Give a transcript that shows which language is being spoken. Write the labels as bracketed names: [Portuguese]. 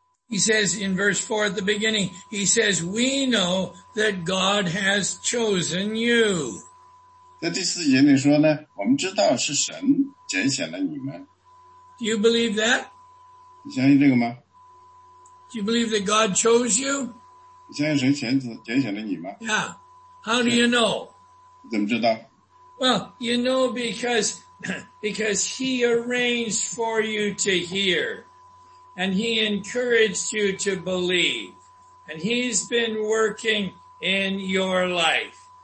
[English] he says in verse 4 at the beginning, he says, we know that God has chosen you. [Chinese] 在第四节里说呢,我们知道是神拣选了你们。 [English] Do you believe that? [Chinese] 你相信这个吗? [English] Do you believe that God chose you? [Chinese] 你相信神拣选了你吗? [English] Yeah. How do you know? [Chinese] 怎么知道? [English] Well, you know, because he arranged for you to hear and he encouraged you to believe and he's been working in your life.